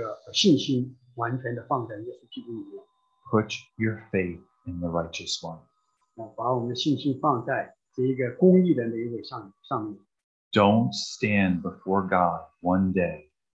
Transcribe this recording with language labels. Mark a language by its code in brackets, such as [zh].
[zh] 把自己的这一个信任，这一个信心完全的放在耶稣基督里面。 [en] Put your faith in the righteous one. [zh] 把我们的信心放在这一个公义的那一位上面。 [en] Don't stand before God one day.